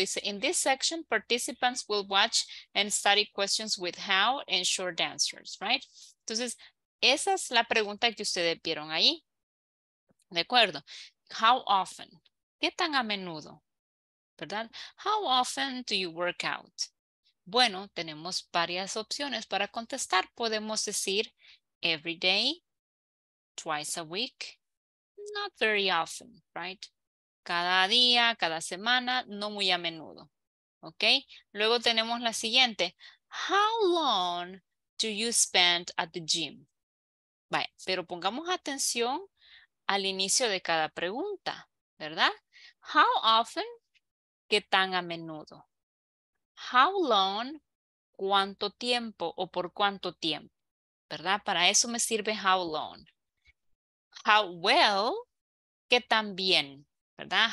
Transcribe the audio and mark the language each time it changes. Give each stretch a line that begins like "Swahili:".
English: Dice, in this section, participants will watch and study questions with how and short answers, right?
Spanish: Entonces, esa es la pregunta que ustedes vieron ahí. ¿De acuerdo?
English: How often?
Spanish: ¿Qué tan a menudo? ¿Verdad?
English: How often do you work out?
Spanish: Bueno, tenemos varias opciones para contestar. Podemos decir,
English: every day, twice a week, not very often, right?
Spanish: Cada día, cada semana, no muy a menudo. ¿Ok? Luego tenemos la siguiente.
English: How long do you spend at the gym?
Spanish: Vaya, pero pongamos atención al inicio de cada pregunta, ¿verdad?
English: How often?
Spanish: ¿Qué tan a menudo?
English: How long?
Spanish: ¿Cuánto tiempo o por cuánto tiempo? ¿Verdad? Para eso me sirve how long.
English: How well?
Spanish: ¿Qué tan bien? ¿Verdad?